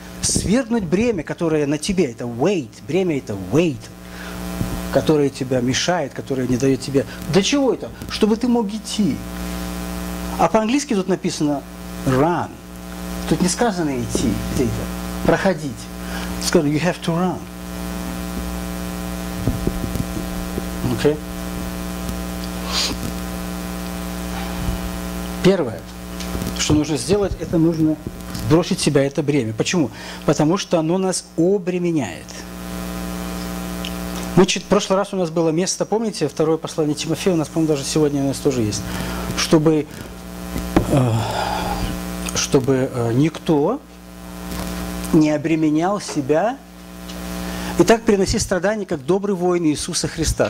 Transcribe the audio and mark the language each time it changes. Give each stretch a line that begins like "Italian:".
Russian: Свергнуть бремя, которое на тебе. Это weight. Бремя – это weight. Которое тебя мешает, которое не дает тебе. Для чего это? Чтобы ты мог идти. А по-английски тут написано run. Тут не сказано идти, где-то, проходить. Сказано,
English: you have to run.
Russian: Окей? Первое, что нужно сделать, это нужно сбросить себя это бремя. Почему? Потому что оно нас обременяет. Значит, в прошлый раз у нас было место, помните, второе послание Тимофея, у нас, по-моему, даже сегодня у нас тоже есть, чтобы никто не обременял себя и так приноси страдания, как добрый воин Иисуса Христа.